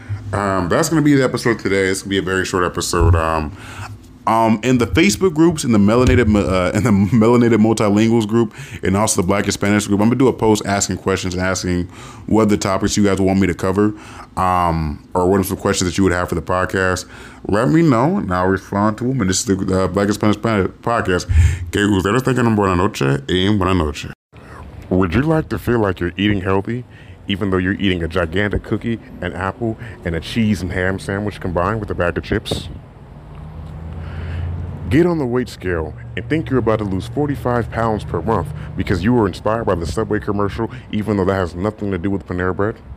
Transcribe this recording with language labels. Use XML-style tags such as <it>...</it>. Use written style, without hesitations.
<en>That's going to be the episode today. It's going to be a very short episode. In the Facebook groups, in the Melanated Multilinguals group, and also the Blackish Spanish group, I'm going to do a post asking questions and asking what the topics you guys want me to cover, or what are some questions that you would have for the podcast. Let me know, and I'll respond to them. And this is the Blackish Spanish podcast.</en> <es>Que ustedes tengan una buena noche y buena noche.</es> <en>Would you like to feel like you're eating healthy, even though you're eating a gigantic cookie, an apple, and a cheese and ham sandwich combined with a bag of chips? Get on the weight scale and think you're about to lose 45 pounds per month because you were inspired by the Subway commercial, even though that has nothing to do with Panera Bread?</en>